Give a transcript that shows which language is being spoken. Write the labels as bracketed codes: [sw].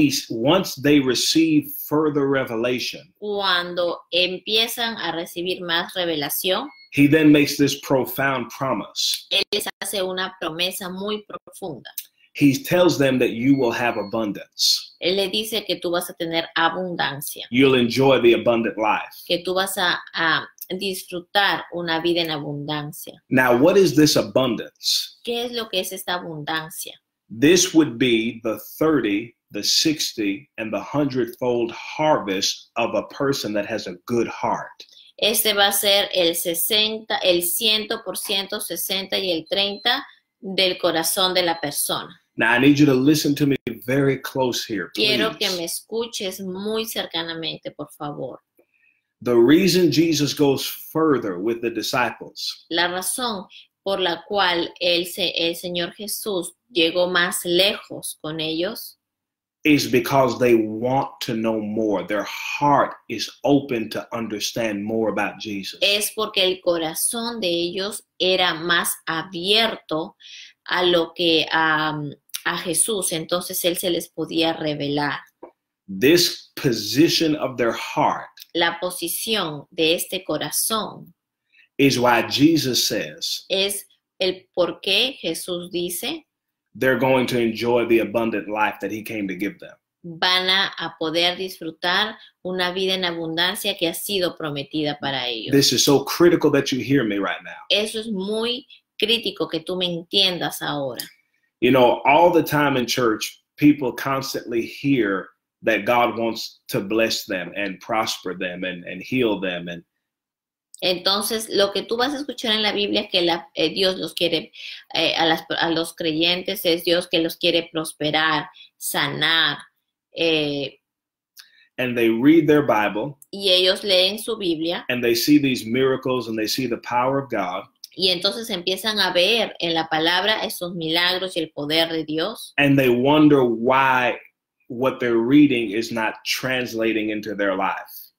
[en] Once they receive further revelation, [es] Cuando empiezan a recibir más revelación, [en] he then makes this profound promise. [es] él les hace una promesa muy profunda. [en] He tells them that you will have abundance. [es] Él le dice que tú vas a tener abundancia, [en] You'll enjoy the abundant life. [es] que tú vas a disfrutar una vida en abundancia. [en] Now, what is this abundance? [es] ¿Qué es lo que es esta abundancia? [en] This would be the 30, the 60, and the hundredfold harvest of a person that has a good heart. [es] Este va a ser el 60, el 100%, 60 y el 30 del corazón de la persona. [en] Now, I need you to listen to me very close here, [es] Quiero que me [en] please. [es] escuches muy cercanamente, por favor. [en] The reason Jesus goes further with the disciples [es] La razón por la cual el Señor Jesús llegó más lejos con ellos [en] is because they want to know more. Their heart is open to understand more about Jesus. [es] es porque el corazón de ellos era más abierto a lo que a Jesús, entonces él se les podía revelar. [en] This position of their heart [es] La posición de este corazón [en] is why Jesus says [es] es el por qué Jesús dice [en] they're going to enjoy the abundant life that he came to give them. [es] van a poder disfrutar una vida en abundancia que ha sido prometida para [en] This [es] ellos. [en] is so critical that you hear me right now. [es] Eso es muy crítico que tú me entiendas ahora. [en] You know, all the time in church, people constantly hear that God wants to bless them and prosper them and heal them and [es] Entonces, lo que tú vas a escuchar en la Biblia es que Dios los quiere a los creyentes, es Dios que los quiere prosperar, sanar. [en] And they read their Bible [es] Y ellos leen su Biblia [en] and they see these miracles and they see the power of God. [es] y entonces empiezan a ver en la palabra esos milagros y el poder de Dios. [en] And they wonder why what they're reading is not translating into their life.